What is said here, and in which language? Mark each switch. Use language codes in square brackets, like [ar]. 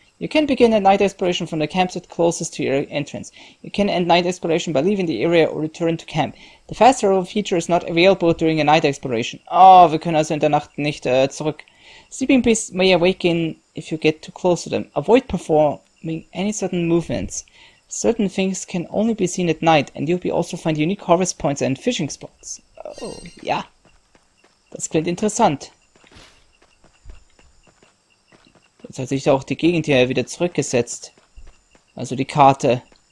[en] You can begin a night exploration from the campsite closest to your entrance. You can end night exploration by leaving the area or return to camp. The fast travel feature is not available during a night exploration. [de] Oh, wir können also in der Nacht nicht zurück. [en] Sleeping beasts may awaken if you get too close to them. Avoid performing any sudden movements. Certain things can only be seen at night, and you'll be also find unique harvest points and fishing spots. [de] Oh, ja. Das klingt interessant. Jetzt hat sich auch die Gegend hier wieder zurückgesetzt. Also die Karte.